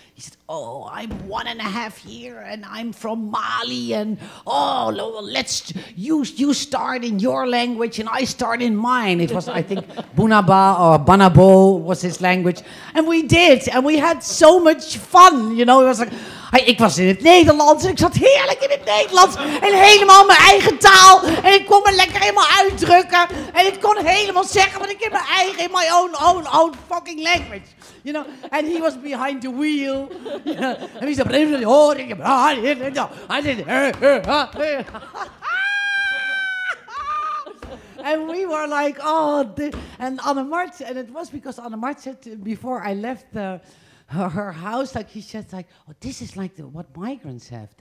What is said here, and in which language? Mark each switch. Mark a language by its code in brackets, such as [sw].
[en] He said, oh, I'm 1.5 here and I'm from Mali, and oh, let's, you start in your language and I start in mine. It was, I think, Bunaba or Banabo was his language. And we did, and we had so much fun, you know. [nl] It was like, ik was in het Nederlands en ik zat heerlijk in het Nederlands en helemaal mijn eigen taal en ik kon me lekker helemaal uitdrukken en ik kon helemaal zeggen wat ik in mijn eigen, [en] in my own fucking language, you know. And he was behind the wheel, you know, and he said, oh, and we were like, oh, and Annemart, and it was because Annemart said before I left the her house, like, he said, like, oh, this is like what migrants have.